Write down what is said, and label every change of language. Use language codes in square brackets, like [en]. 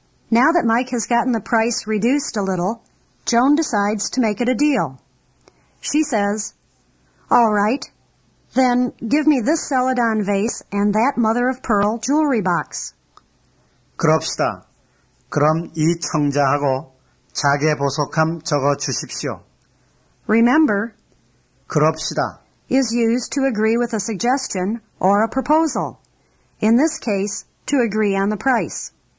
[en] Now that Mike has gotten the price reduced a little, Joan decides to make it a deal. She says, All right, then give me this celadon vase and that mother-of-pearl jewelry box. [ko] 그럽시다. 그럼 이 청자하고 자개 보석함 적어 주십시오. [en] Remember, [ko] 그럽시다 [en] is used to agree with a suggestion or a proposal. In this case, to agree on the price.